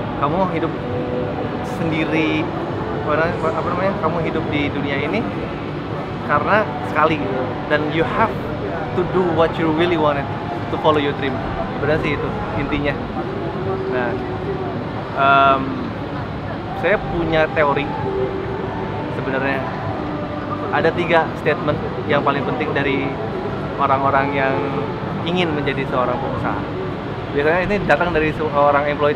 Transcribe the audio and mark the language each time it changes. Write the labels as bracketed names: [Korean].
[Indonesian] Kamu hidup sendiri, apa namanya, kamu hidup di dunia ini karena sekali gitu. Dan [English] you have to do what you really wanted to follow your dream. [Indonesian] Benar sih itu intinya. Nah, saya punya teori sebenarnya. Ada 3 statement yang paling penting dari orang-orang yang ingin menjadi seorang pengusaha. Biasanya ini datang dari seorang employee.